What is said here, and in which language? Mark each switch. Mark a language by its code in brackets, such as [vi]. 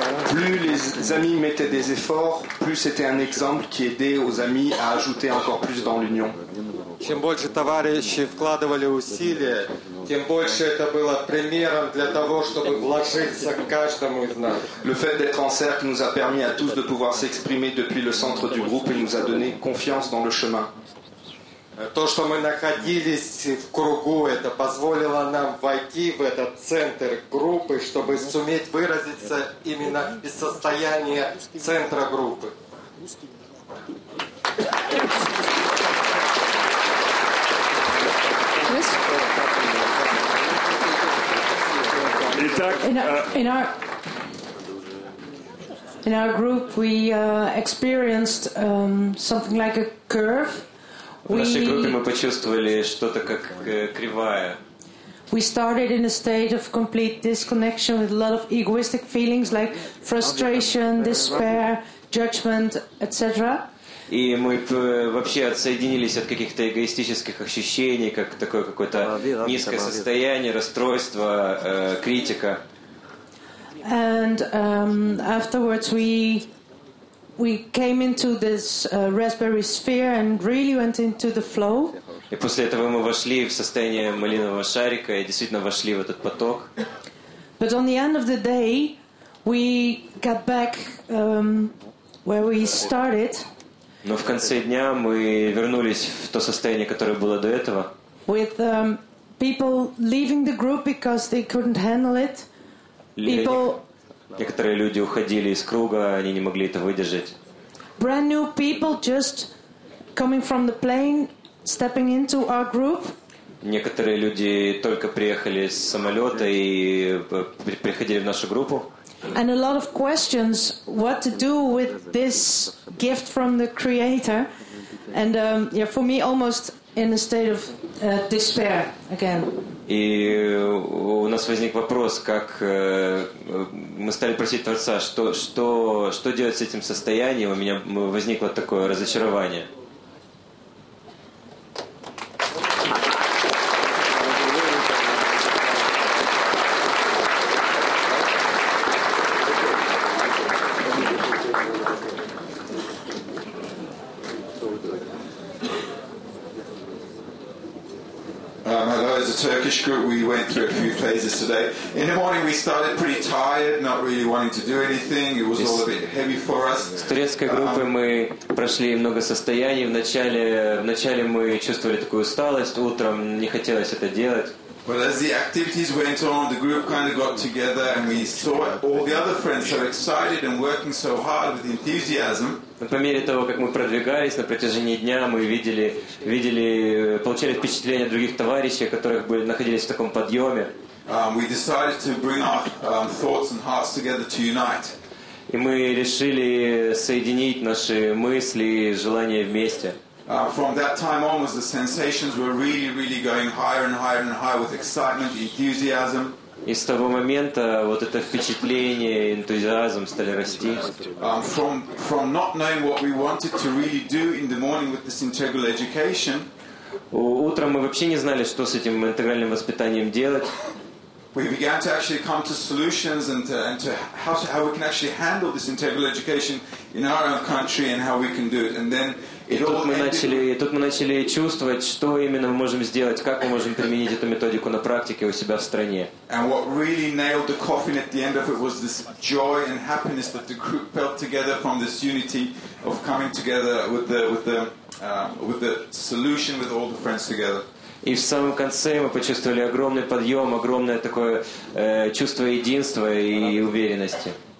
[fr] Plus les amis mettaient des efforts, plus c'était un exemple qui aidait aux amis à ajouter encore plus dans l'union. [ru] Чем больше товарищи вкладывали усилия, тем больше это было примером для того, чтобы вложиться к каждому из нас. [fr] Le fait d'être en cercle nous a permis à tous de pouvoir s'exprimer depuis le centre du groupe et nous a donné confiance dans le chemin. [ru] То, что мы находились в кругу, это позволило нам войти в этот центр группы, чтобы суметь выразиться именно из состояния центра группы. Итак, [en] in our group we experienced something like a curve. [ru] В нашей группе мы почувствовали что-то как кривая. [en] We started in a state of complete disconnection with a lot of egoistic feelings like frustration, despair, judgment, etc. [ru] И мы вообще отсоединились от каких-то эгоистических ощущений, как такое какое-то низкое состояние, расстройство, критика. [en] And afterwards we came into this raspberry sphere and really went into the flow. [ru] И после этого мы вошли в состояние малинового шарика и действительно вошли в этот поток. [en] But on the end of the day, we got back where we started. [ru] Но в конце дня мы вернулись в то состояние, которое было до этого. [en] With people leaving the group because they couldn't handle it. People. [ru] Некоторые люди уходили из круга, они не могли это выдержать. [en] Brand new people just coming from the plane, stepping into our group. [ru] Некоторые люди только приехали с самолета и приходили в нашу группу. [en] And a lot of questions: what to do with this gift from the Creator? And yeah, for me, almost in a state of despair again. [ru] И у нас возник вопрос, как мы стали просить Творца, что делать с этим состоянием? У меня возникло такое разочарование. Спасибо. [en] Hello, as a Turkish group, we went through a few phases today. In the morning, we started pretty tired, not really wanting to do anything. It was all a bit heavy for us. [ru] С турецкой группой мы прошли много состояний. В начале мы чувствовали такую усталость. Утром не хотелось это делать. [en] But as the activities went on, the group kind of got together, and we saw all the other friends so excited and working so hard with enthusiasm. [ru] По мере того, как мы продвигались на протяжении дня, мы видели, получили впечатление других товарищей, которых были находились в таком подъеме. [en] We decided to bring our thoughts and hearts together to unite. [ru] И мы решили соединить наши мысли и желания вместе. [en] From that time onwards, the sensations were really, really going higher and higher and higher with excitement, enthusiasm. [ru] И с того момента вот это впечатление, энтузиазм стали расти. [en] From not knowing what we wanted to really do in the morning with this integral education. [ru] Утром мы вообще не знали, что с этим интегральным воспитанием делать. [en] We began to actually come to solutions and to how we can actually handle this integral education in our own country and how we can do it. And then it all ended. [ru] Тут мы начали чувствовать, что именно мы можем сделать, как мы можем применить эту методику на практике у себя в стране. [en] And what really nailed the coffin at the end of it was this joy and happiness that the group felt together from this unity of coming together with the solution with all the friends together. [ru] И в самом конце мы почувствовали огромный подъем, огромное такое чувство единства и уверенности.